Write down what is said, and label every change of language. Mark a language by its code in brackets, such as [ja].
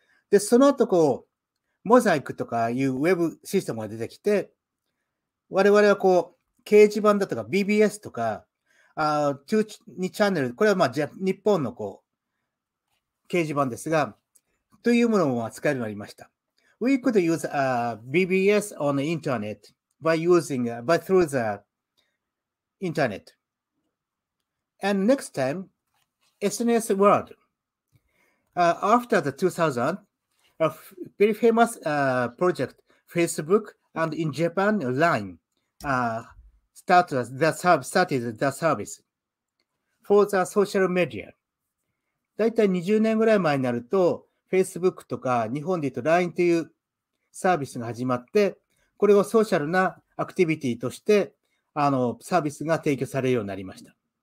[ja] で、その後、こう、モザイクとかいうウェブシステムが出てきて、我々はこう、掲示板だとか BBS とか、中2チャンネル、これはまあ、日本のこう、掲示板ですが、というものも使えるようになりました。 [en] We could use BBS on the internet by using, by through the internet. And next time, SNS world. After the 2000, a very famous project, Facebook, and in Japan, LINE, started the service for the social media. [ja] だいたい20年ぐらい前になると、Facebook とか日本で言うと LINE というサービスが始まって、これをソーシャルなアクティビティとして、サービスが提供されるようになりました。